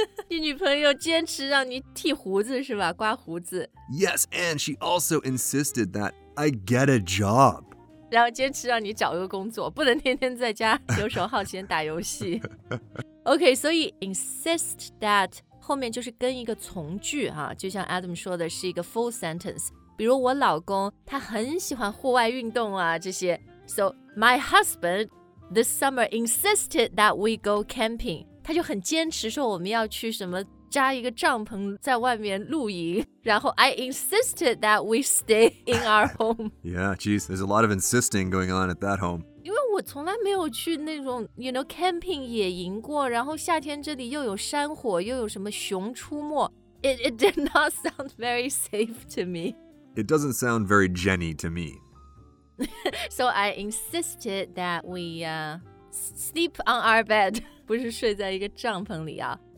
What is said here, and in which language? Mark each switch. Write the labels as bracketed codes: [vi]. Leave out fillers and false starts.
[zh] 你女朋友坚持让你剃胡子是吧？刮胡子。 [en] Yes, and she also insisted that I get a job. [zh] 然后坚持让你找个工作，不能天天在家游手好闲打游戏。 OK, 所以 insist that 后面就是跟一个从句、啊、就像 Adam 说的是一个 full sentence。比如我老公他很喜欢户外运动啊这些。 [en] So, my husband this summer insisted that we go camping. [zh] 他就很坚持说我们要去什么扎一个帐篷在外面露营。然后 [en] I insisted that we stay in our home. Yeah, geez, there's a lot of insisting going on at that home. [zh] 因为我从来没有去那种 [en] you know, [zh] camping 野营过，然后夏天这里又有山火，又有什么熊出没。 [en] It did not sound very safe to me. It doesn't sound very Jenny to me. So I insisted that we sleep on our bed. [zh] 不是睡在一个帐篷里啊。